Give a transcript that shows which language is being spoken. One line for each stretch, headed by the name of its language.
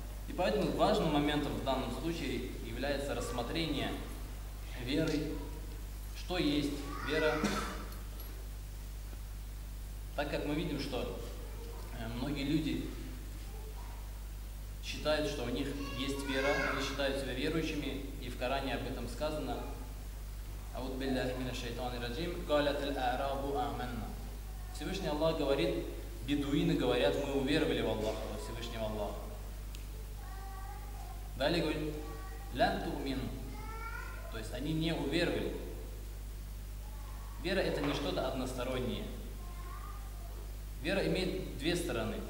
Russian: И поэтому важным моментом в данном случае является рассмотрение веры, что есть вера, так как мы видим, что многие люди считают, что у них есть вера, они считают себя верующими, и в Коране об этом сказано.
Arabic: أعوذ بالله من الشيطان الرجيم قالت الأعراب آمنا.
Russian: Всевышний Аллах говорит, бедуины говорят, мы уверовали в Аллаха, во Всевышнего Аллаха. Далее говорит,
Arabic: لن تؤمن.
Russian: То есть они не уверовали. Вера – это не что-то одностороннее. Вера имеет две стороны.